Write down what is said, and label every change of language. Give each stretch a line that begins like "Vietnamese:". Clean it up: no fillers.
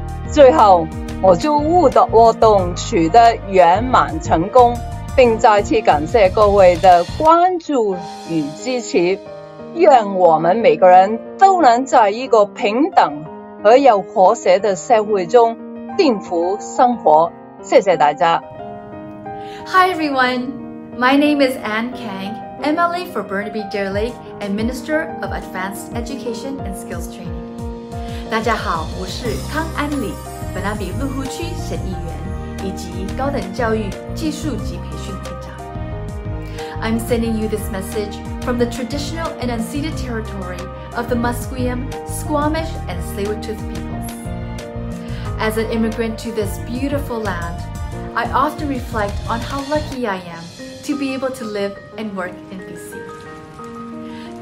Chinese: 最后，我祝雾的活动取得圆满成功，并再次感谢各位的关注与支持。愿我们每个人都能在一个平等和有和谐的社会中幸福生活。谢谢大家。
English: Hi everyone, my name is Anne Kang, MLA for Burnaby Deer Lake and Minister of Advanced Education and Skills Training.
Chinese: 大家好，我是康安里，本拿比鹿湖区省议员以及高等教育技术及培训厅长。
English: I'm sending you this message from the traditional and unceded territory of the Musqueam, Squamish and Tsleil-Waututh peoples. As an immigrant to this beautiful land, I often reflect on how lucky I am to be able to live and work in BC.